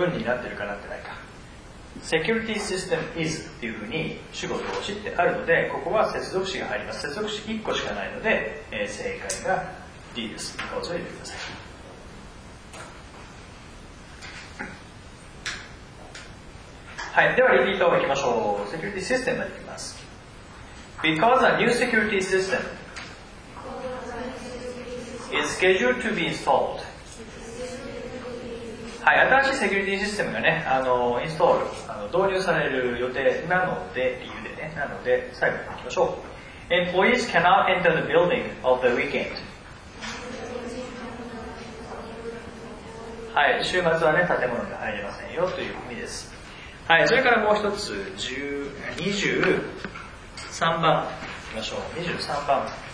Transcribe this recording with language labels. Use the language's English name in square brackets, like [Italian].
[Japanese] 文になってるかなってないか。 [English] Security system is [Japanese] っていうふうに主語動詞ってあるので、ここは接続詞が入ります。接続詞1個しかないので、正解が D です。because を入れてください。はい、ではリピートをいきましょう。Security system までいきます。 [English] Because a new security system. Is scheduled to be installed. [Japanese] はい、新しいセキュリティシステムがね、インストール、導入される予定なので、理由でね、なので、最後に行きましょう。 [English] Employees cannot enter the building of the weekend. [Japanese] はい、週末はね、建物に入れませんよという意味です。はい、それからもう一つ、23番、行きましょう。23番。